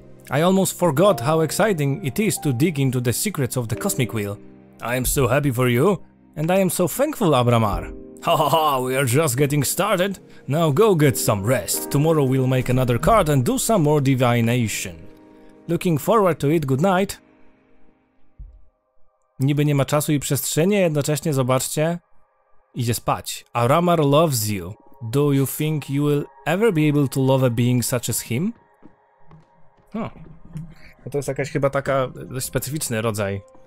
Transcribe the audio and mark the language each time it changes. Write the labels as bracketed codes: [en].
[en] I almost forgot how exciting it is to dig into the secrets of the cosmic wheel. I am so happy for you. And I am so thankful, Abramar. Ha ha ha, we are just getting started. Now go get some rest. Tomorrow we'll make another card and do some more divination. Looking forward to it, good night. [pl] Niby nie ma czasu i przestrzeni, jednocześnie zobaczcie. Idzie spać. [en] Abramar loves you. Do you think you will ever be able to love a being such as him? [pl] No, to jest jakaś chyba taka dość specyficzny rodzaj